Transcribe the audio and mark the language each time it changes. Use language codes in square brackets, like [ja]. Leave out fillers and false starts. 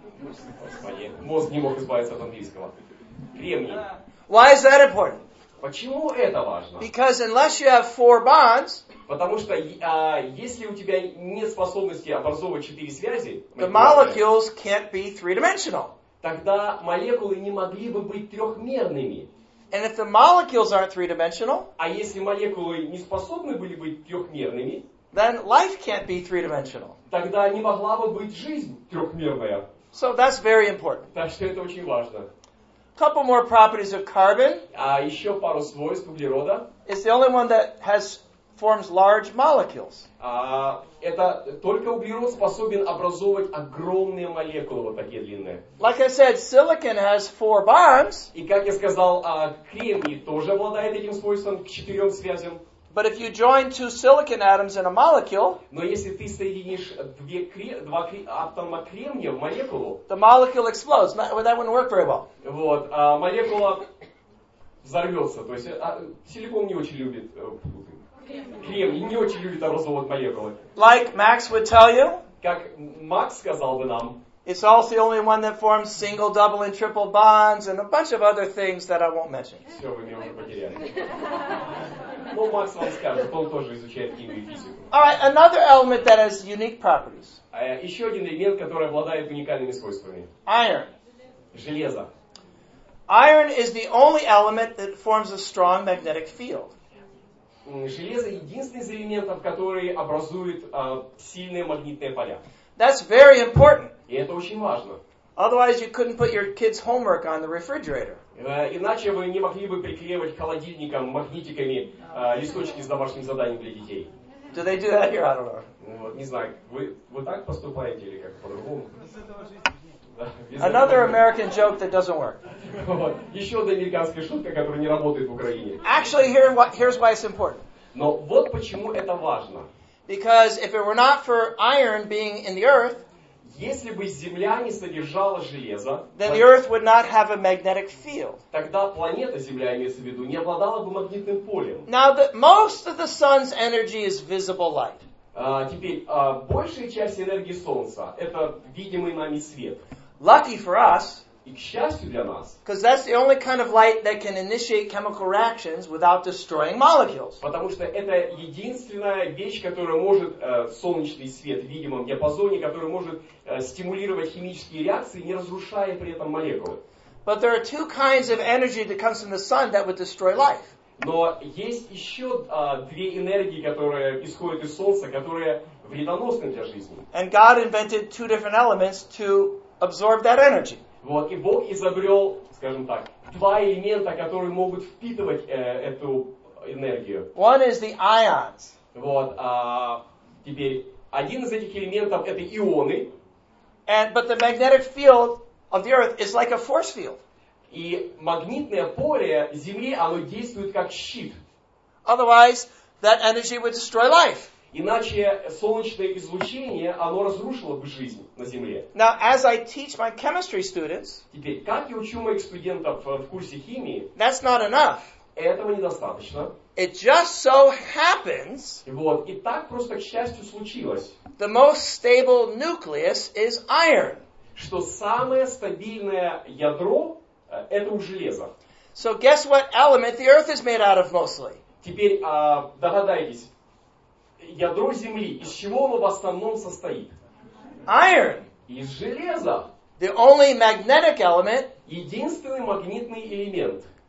[ru] Господи, мозг не мог избавиться от английского. Кремний. [en] Why is that important? [ru] Почему это важно? [en] Because unless you have four bonds, [ru] потому что если у тебя нет способности образовывать четыре связи, [en] the molecules can't be three-dimensional. [ru] Тогда молекулы не могли бы быть трехмерными. [en] And if the molecules aren't three-dimensional, [ru] а если молекулы не способны были быть трехмерными, [en] then life can't be three-dimensional. [ru] Тогда не могла бы быть жизнь трехмерная. [en] So that's very important. [ru] Так что это очень важно. [en] Couple more properties of carbon. [ru] Еще пару свойств углерода. [en] It's the only one that has forms large molecules. [ru] Это только углерод способен образовывать огромные молекулы вот такие длинные. [en] Like I said, silicon has four bonds. [ru] И как я сказал, кремний тоже обладает этим свойством к четырем связям. [en] But if you join two silicon atoms in a molecule, [ru] но если ты соединишь два атома кремния в молекулу, [en] the molecule explodes. That wouldn't work very well. [ru] Вот, молекула взорвется. То есть силикон не очень любит кремний, не очень любит образовывать молекулы. [en] Like Max would tell you, [ru] как Макс сказал бы нам. [en] It's also the only one that forms single, double, and triple bonds, and a bunch of other things that I won't mention. [ru] Все, вы меня уже потеряли. Ну, Макс вам скажет, он тоже изучает химию и физику. [en] All right, another element that has unique properties. [ru] Еще один элемент, который обладает уникальными свойствами. [en] Iron. [ru] Железо. [en] Iron is the only element that forms a strong magnetic field. [ru] Железо единственный из элементов, который образует сильные магнитные поля. [en] That's very important. [ru] И это очень важно. [en] Otherwise, you couldn't put your kids' homework on the refrigerator. [ru] Иначе вы не могли бы приклеивать к холодильникам магнитиками листочки с домашним заданием для детей. [en] Do they do that here? I don't know. [ru] Вот, не знаю. Вы так поступаете или как по-другому? [en] Another American joke that doesn't work. [ru] Еще одна американская шутка, которая не работает в Украине. [en] Actually, here's why it's important. [ru] Но вот почему это важно. [en] Because if it were not for iron being in the earth, [ru] если бы Земля не содержала железо, [en] then the earth would not have a magnetic field. [ru] Тогда планета Земля, имеется в виду, не обладала бы магнитным полем. [en] Now, most of the sun's energy is visible light. [ru] Большая часть энергии Солнца – это видимый нами свет. [en] Lucky for us, [ru] и к счастью для нас, [en] because that's the only kind of light that can initiate chemical reactions without destroying molecules. [ru] Потому что это единственная вещь, которая может солнечный свет в видимом диапазоне, который может стимулировать химические реакции, не разрушая при этом молекулы. [en] But there are two kinds of energy that comes from the sun that would destroy life. [ru] Но есть еще две энергии, которые исходят из солнца, которые вредоносны для жизни. [en] And God invented two different elements to absorb that energy. [ru] Вот, и Бог изобрел, скажем так, два элемента, которые могут впитывать эту энергию. [en] One is the ions. [ru] Вот, теперь, один из этих элементов это ионы. [en] But the magnetic field of the earth is like a force field. [ru] И магнитное поле Земли, оно действует как щит. [en] Otherwise, that energy would destroy life. [ru] Иначе солнечное излучение, оно разрушило бы жизнь на Земле. [en] Now, as I teach my chemistry students, [ru] теперь, как я учу моих студентов в курсе химии, [en] that's not enough. [ru] Этого недостаточно. [en] It just so happens, [ru] вот, и так просто, к счастью, случилось, [en] the most stable nucleus is iron. [ru] Что самое стабильное ядро, это у железа. [en] So guess what element the earth is made out of mostly? [ru] Теперь догадайтесь, ядро Земли, из чего оно в основном состоит? [en] Iron. [ru] Из железа. [en] The only magnetic element, [ru] единственный магнитный элемент,